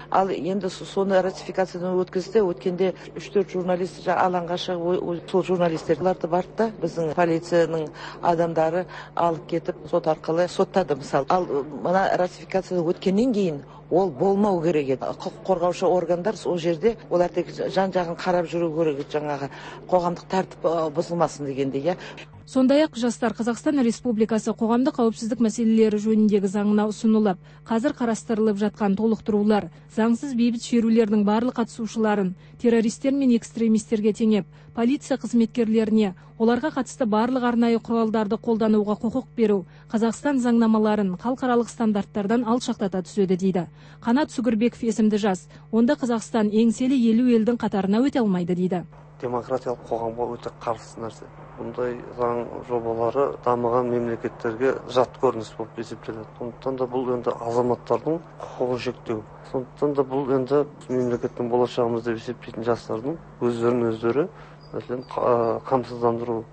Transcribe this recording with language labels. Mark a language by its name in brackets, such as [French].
[Kyrgyz] Ал эмне сууну ратификациядан өткөздү, өткөндө 3-4 журналист алаңга чыгып, ошол журналисттер аларды барды да, биздин полициянын адамдары алып кетип, сот аркылуу соттады мисалы. Ал мына ратификациядан өткөндөн кийин [Kazakh] ол болмау керек еді. Құқық қорғаушы органдар сол жерде олар тек жан-жағын қарап жүру керек, жаңағы қоғамдық тәртіп бұзылмасын дегенде, иә. Сондай-ақ жастар Қазақстан Республикасы қоғамдық қауіпсіздік мәселелері жөніндегі заңына ұсынылып, қазір қарастырылып жатқан толықтырулар заңсыз бейбіт шерулердің барлық қатысушыларын террористер мен экстремистерге теңеп, полиция қызметкерлеріне оларға қатысты барлық арнайы құралдарды қолдануға құқық беру Қазақстан заңнамаларын халықаралық стандарттардан алшақтата түседі, дейді. Қанат Сүгірбеков есімді жас, онда Қазақстан еңселі 50 елдің қатарына өте алмайды, дейді. Демократиялық қоғамға өте қарсы нәрсе. [Kyrgyz] Мындай заң жобалары дамыган мамлекеттерге жат көрүнүс болуп эсептелет. Ошондуктан да бул энди азаматтардын укугун шектөө. Ошондуктан да бул энди мамлекеттин болочагыбыз деп эсептейтин жаштардын өздөрүн өздөрү камсыздандыруу.